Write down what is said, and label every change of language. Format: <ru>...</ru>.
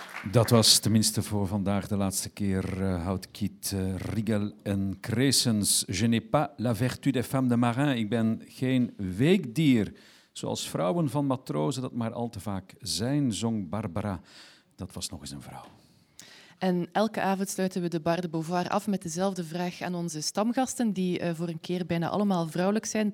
<nl>Dat was tenminste voor vandaag de laatste keer Houtkeet Riegel en Kreesens.</nl> <fr>Je n'ai pas la vertu des femmes de marin.</fr> <nl>Ik ben geen weekdier, zoals vrouwen van matrozen dat maar al te vaak zijn, zong Barbara. Dat was nog eens een vrouw. En elke avond sluiten we de Bar de Beauvoir af met dezelfde vraag aan onze stamgasten, die voor een keer bijna allemaal vrouwelijk zijn.</nl>